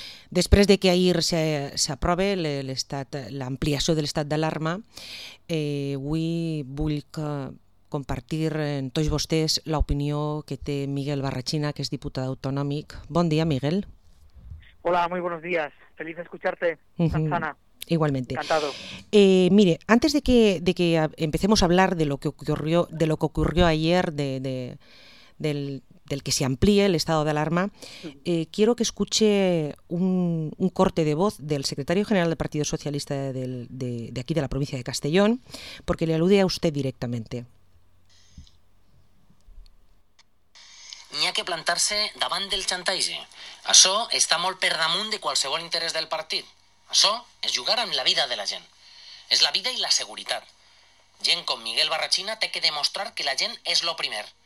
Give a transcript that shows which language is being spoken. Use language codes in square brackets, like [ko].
[ca] Després de que ahir s'aprove l'ampliació de l'estat d'alarma, avui vull compartir amb tots vostès l'opinió que té Miguel Barrachina, que és diputat autonòmic. Bon dia, Miguel. [es] Hola, muy buenos días. Feliz de escucharte, Sansana. Igualmente. Encantado. Mire, antes de que empecemos a hablar de lo que ocurrió ayer, del que se amplíe el estado de alarma, quiero que escuche un corte de voz del secretario general del Partido Socialista de aquí, de la provincia de Castellón, porque le alude a usted directamente. [ca] N'hi ha que plantar-se davant del xantatge. Això està molt per damunt de qualsevol interès del partit. Això és jugar amb la vida de la gent. És la vida i la seguretat. Gent com Miguel Barrachina té que demostrar que la gent és lo primer.